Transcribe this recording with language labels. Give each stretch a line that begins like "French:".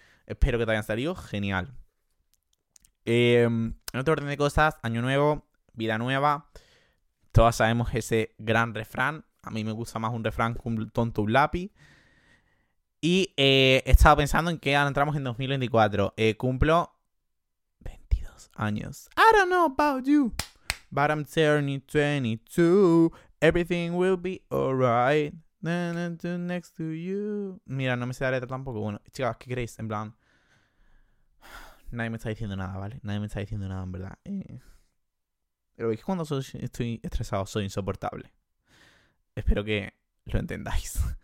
Spanish: Espero que te hayan salido genial. En otro orden de cosas, año nuevo, vida nueva. Todas sabemos ese gran refrán. A mí me gusta más un refrán que un tonto un lápiz. Y he estado pensando en que ahora entramos en 2024. Cumplo 22 años.
English: I don't know about you, but I'm turning 22. Everything will be alright. Next to you.
Spanish: Mira, no me sé la letra tampoco. Bueno, chicas, ¿qué queréis? En plan, nadie me está diciendo nada, ¿vale? Nadie me está diciendo nada, en verdad. Pero es que cuando estoy estresado soy insoportable. Espero que lo entendáis.